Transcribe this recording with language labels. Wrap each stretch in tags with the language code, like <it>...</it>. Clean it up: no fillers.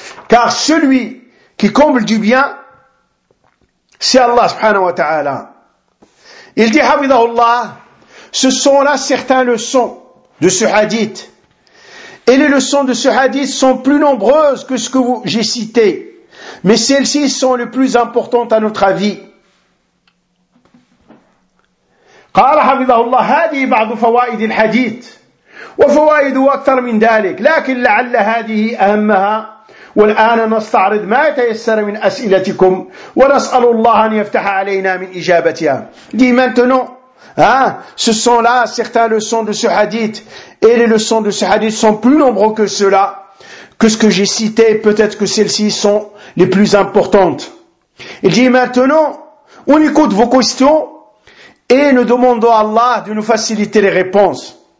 <fr>Car celui qui comble du bien, c'est Allah subhanahu wa ta'ala. Il dit, Habidahullah, ce sont là certaines leçons de ce hadith. Et les leçons de ce hadith sont plus nombreuses que ce que j'ai cité. Mais celles-ci sont les plus importantes à notre avis.</fr> <ar>قال حفظه الله هذه بعض فوائد الحديث وفوائد أكثر من ذلك لكن لعل هذه أهمها والآن نستعرض ما تيسر من أسئلتكم ونسأل الله أن يفتح علينا من إجابتها.</ar> <fr>Dit maintenant, hein, ce sont là certaines leçons de ce hadith et les leçons de ce hadith sont plus nombreux que cela que ce que j'ai cité. Peut-être que celles-ci sont les plus importantes. Il dit maintenant, on écoute vos questions et nous demandons à Allah de nous faciliter les réponses.</fr>